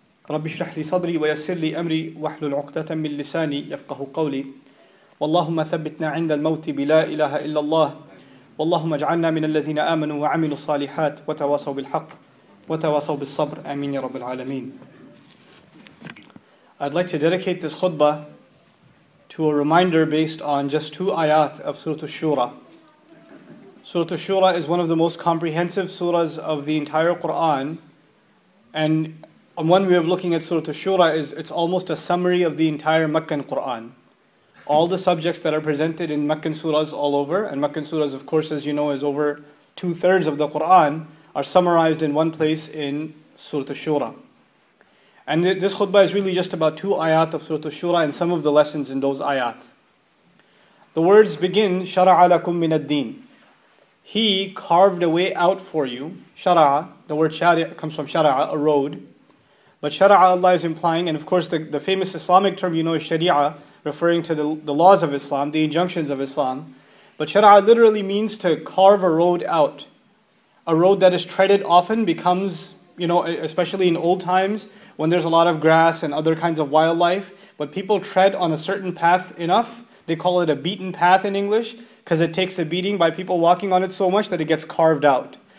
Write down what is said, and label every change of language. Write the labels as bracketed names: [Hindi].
[Arabic] رب اشرح لي صدري ويسر لي أمري واحلل عقدة من لساني يفقه قولي واللهم ثبتنا عند الموت بلا إله إلا الله واللهم اجعلنا من الذين آمنوا وعملوا الصالحات وتواصوا بالحق وتواصوا بالصبر آمين يا رب العالمين. [English] I'd like to dedicate this khutbah to a reminder based on just two ayat of Surah Ash-Shura. Surah Ash-Shura is one of the most comprehensive surahs of the entire Quran, and one way of looking at Surah Ash-Shura is it's almost a summary of the entire Meccan Quran. All the subjects that are presented in Meccan surahs all over, and Meccan surahs, of course, as you know, is over two-thirds of the Qur'an, are summarized in one place in Surah Ash-Shura. And this khutbah is really just about two ayat of Surah Ash-Shura and some of the lessons in those ayat. The words begin, [Arabic] شَرَعَ لَكُم مِّنَ الدِّينِ. [English] He carved a way out for you. شَرَعَ, the word شَرَعَ comes from شَرَعَ, a road. But شَرَعَ Allah is implying, and of course the famous Islamic term you know is شَرِعَ, referring to the laws of Islam, the injunctions of Islam. But shara'a literally means to carve a road out. A road that is treaded often becomes, you know, especially in old times, when there's a lot of grass and other kinds of wildlife, but people tread on a certain path enough, they call it a beaten path in English, because it takes a beating by people walking on it so much that it gets carved out.